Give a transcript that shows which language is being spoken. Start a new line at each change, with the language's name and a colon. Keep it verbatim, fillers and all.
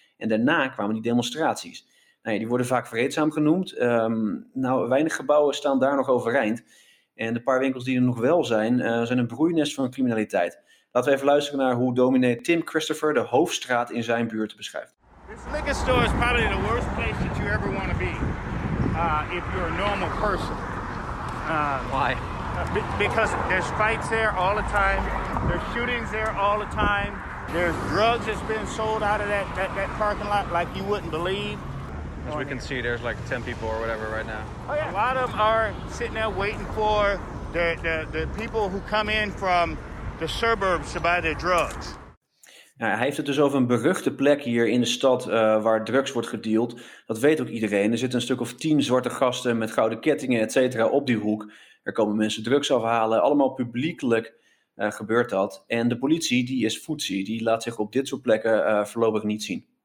Dutch: En daarna kwamen die demonstraties. Nou ja, die worden vaak vreedzaam genoemd. Um, nou, weinig gebouwen staan daar nog overeind. En de paar winkels die er nog wel zijn, uh, zijn een broeinest van criminaliteit. Laten we even luisteren naar hoe dominee Tim Christopher de hoofdstraat in zijn buurt beschrijft.
English: This liquor store is probably the worst place that you ever want to be, uh, if you're a normal person. Uh, Why? Because there's fights there all the time. There's shootings there all the time. There's drugs that's been sold out of that that, that parking lot like you wouldn't believe. As we can see, there's like ten people or whatever right now. Oh yeah. A lot of them are sitting there waiting for the the, the people who come in from the suburbs to buy their drugs.
Dutch: Nou, hij heeft het dus over een beruchte plek hier in de stad uh, waar drugs wordt gedeeld. Dat weet ook iedereen. Er zitten een stuk of tien zwarte gasten met gouden kettingen, et cetera, op die hoek. Er komen mensen drugs afhalen. Allemaal publiekelijk uh, gebeurt dat. En de politie, die is footsie. Die laat zich op dit soort plekken uh, voorlopig niet zien.